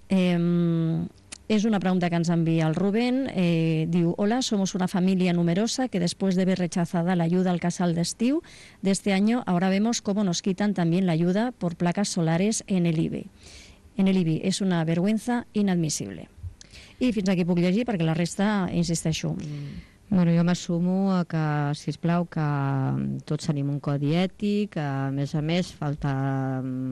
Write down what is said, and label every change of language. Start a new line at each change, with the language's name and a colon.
Catalan: És una pregunta que ens envia el Rubén.
Spanish: Diu: hola, somos una familia numerosa que después de ver rechazada la ayuda al casal de estiu de este año, ahora vemos cómo nos quitan también la ayuda por placas solares en el IBI. Es una vergüenza inadmisible.
Catalan: I fins aquí puc llegir, perquè la resta, insisteixo. Bueno, jo m'assumo que, sisplau, que tots tenim un codi ètic, a més, faltar.